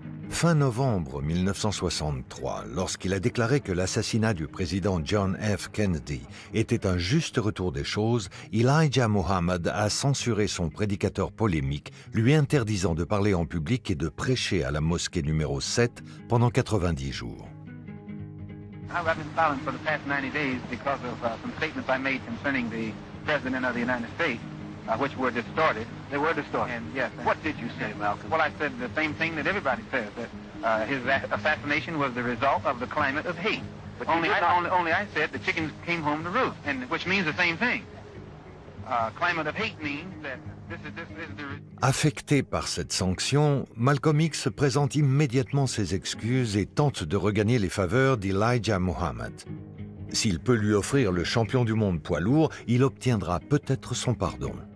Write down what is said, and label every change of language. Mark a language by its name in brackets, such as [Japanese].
[French] Fin novembre 1963, lorsqu'il a déclaré que l'assassinat du président John F. Kennedy était un juste retour des choses, Elijah Muhammad a censuré son prédicateur polémique, lui interdisant de parler en public et de prêcher à la mosquée numéro 7 pendant 90 jours. [English] I've been silent for the past 90 days because of some statements I made concerning the president of the United States. Which were distorted. They were distorted. And yes. And what did you say, Malcolm? Well, I said the same thing that everybody says, that his assassination was the result of the climate of hate. But only I said the chickens came home to roost, and which means the same thing. Climate of hate means that. [French] Affecté par cette sanction, Malcolm X présente immédiatement ses excuses et tente de regagner les faveurs d'Elijah Muhammad. S'il peut lui offrir le champion du monde poids lourd, il obtiendra peut-être son pardon.